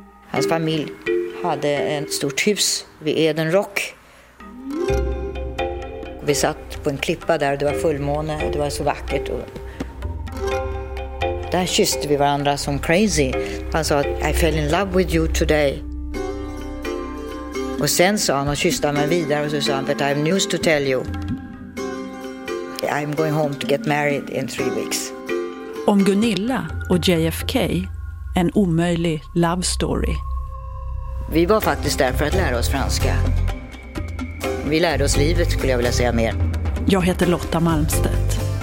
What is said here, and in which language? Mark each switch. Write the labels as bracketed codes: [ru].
[sv] Hans familj hade ett stort hus vid Eden Rock. Vi satt på en klippa där, det var fullmåne, det var så vackert. Där kysste vi varandra som crazy. Han sa, [en] I fell in love with you today. [sv] Och sen sa han och kysste mig vidare och så sa han, [en] but I have news to tell you. I'm going home to get married in 3 weeks. [sv] Om Gunilla och JFK, en omöjlig love story. Vi var faktiskt där för att lära oss franska. Vi lärde oss livet skulle jag vilja säga mer. Jag heter Lotta Malmstedt.